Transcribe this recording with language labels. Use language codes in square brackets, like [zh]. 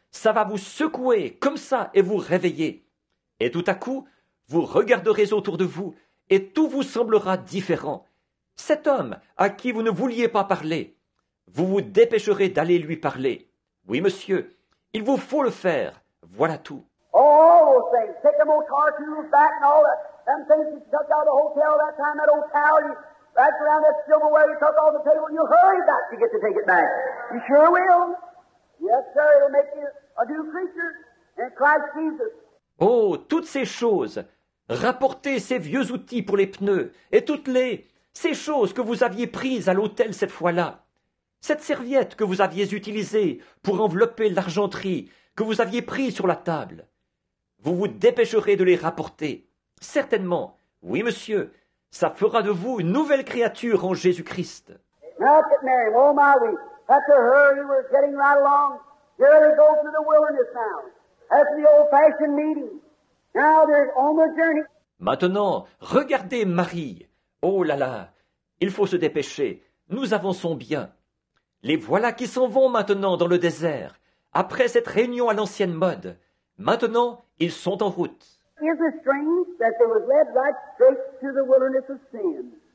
[fr] Ça va vous secouer comme ça et vous réveiller. Et tout à coup, vous regarderez autour de vous et tout vous semblera différent. Cet homme à qui vous ne vouliez pas parler, vous vous dépêcherez d'aller lui parler. Oui, monsieur, il vous faut le faire. Voilà tout. [en] Oh, those things. Take them old cartoons back and all that. Them things you took out of the hotel that time, that old towel. Back around that silverware you took off the table. You hurry back to get to take it back. You sure will. Yes, sir, it'll make you a new creature in Christ Jesus. [fr] Oh, toutes ces choses, rapportez ces vieux outils pour les pneus et toutes les, ces choses que vous aviez prises à l'hôtel cette fois-là. Cette serviette que vous aviez utilisée pour envelopper l'argenterie que vous aviez prise sur la table. Vous vous dépêcherez de les rapporter. Certainement, oui monsieur, ça fera de vous une nouvelle créature en Jésus-Christ. [en] Look at Mary, oh my we, that's a hurry, we're getting right along. Here they go through the wilderness now. That's the old-fashioned meeting. Now they're on the journey. [fr] Maintenant, regardez Marie. Oh là là, il faut se dépêcher. Nous avançons bien. Les voilà qui s'en vont maintenant dans le désert, après cette réunion à l'ancienne mode. Maintenant, ils sont en route. [en] Is it strange that they were led right straight to the wilderness of sin?